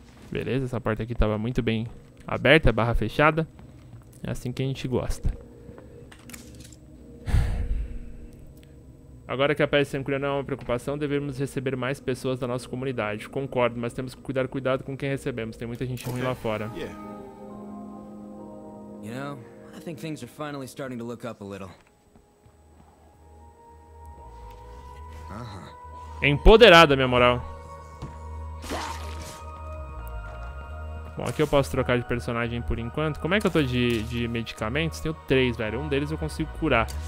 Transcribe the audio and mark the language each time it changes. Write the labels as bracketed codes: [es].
[pt] Beleza, essa porta aqui tava muito bem aberta, barra fechada. É assim que a gente gosta. Agora que a peste sanguínea não é uma preocupação, devemos receber mais pessoas da nossa comunidade. Concordo, mas temos que cuidar com quem recebemos. Tem muita gente ruim lá fora. [en] You know, I think things are finally starting to look up a little. [pt] Empoderada, minha moral. Bom, aqui eu posso trocar de personagem por enquanto. Como é que eu tô de medicamentos? Tenho 3, velho. Um deles eu consigo curar.